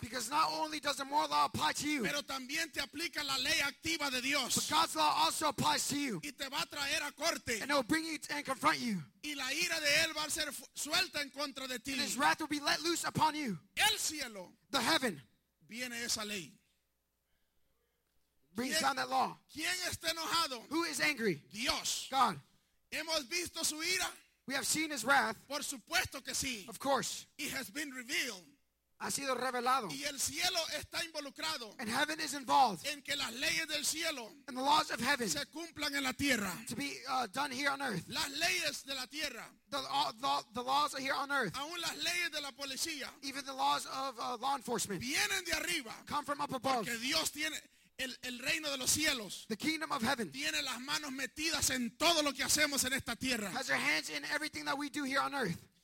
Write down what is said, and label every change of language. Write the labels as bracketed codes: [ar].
[en] Because not only does the moral law apply to you. [es] Pero también te aplica la ley activa de Dios. [en] But God's law also applies to you. [es] Y te va a traer a corte. [en] And it will bring you and confront you. [es] Y la ira de él va a ser suelta en contra de ti. [en] And his wrath will be let loose upon you. [es] El cielo. [en] The heaven. [es] Viene esa ley. [en] Brings down that law. [es] ¿Quién está enojado? [en] Who is angry? [es] Dios. [en] God. [es] Hemos visto su ira. [en] We have seen his wrath. [es] Por supuesto que sí. [en] Of course. It has been revealed. [es] ha sido revelado. Y el cielo está involucrado. [en] And heaven is involved. [es] En que las leyes del cielo [en] and the laws of heaven [es] se cumplan en la tierra. [en] To be done here on earth. [es] Las leyes de la tierra. [en] The laws are here on earth. [es] Aún las leyes de la policía. [en] Even the laws of law enforcement. [es] Vienen de arriba. [en] Come from up above. [es] Porque Dios tiene el reino de los cielos. [en] The kingdom of heaven. [es] Tiene las manos metidas en todo lo que hacemos en esta tierra. [en] Has their hands in everything that we do here on earth.